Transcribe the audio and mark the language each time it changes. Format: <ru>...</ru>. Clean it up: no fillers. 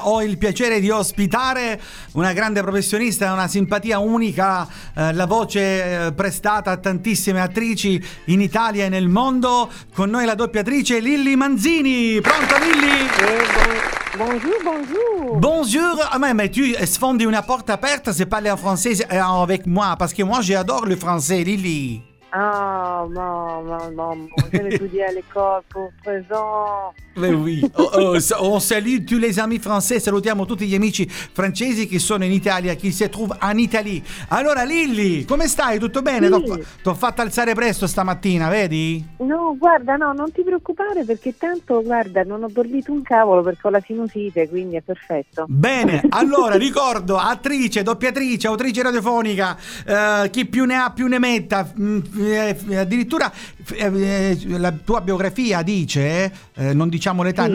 <it>ho il piacere di ospitare una grande professionista, una simpatia unica, la voce prestata a tantissime attrici in Italia e nel mondo. Con noi la doppiatrice Lilli Manzini. Pronto Lilli?</it> <fr>Bonjour. Ah, mais</fr> <it>tu sfondi una porta aperta se parli</it> <fr>en français avec moi, parce que moi j'adore le français, Lilli. Ah, j'ai étudié à l'école pour 3 ans. Mais oui, on salue tous les amis français,</fr> <it>salutiamo tutti gli amici francesi</it> <fr>qui sont en Italie, qui se trouvent en Italie. Alors Lilli, comment</fr> <it>stai? Tutto bene? Sì. T'ho fatto alzare presto stamattina, vedi? No, guarda, no, non ti preoccupare, perché tanto, guarda, non ho dormito un cavolo perché ho la sinusite, quindi è perfetto. Bene, allora ricordo, attrice, doppiatrice, autrice radiofonica, chi più ne ha più ne metta, addirittura la tua biografia dice, non diciamo l'età,</it>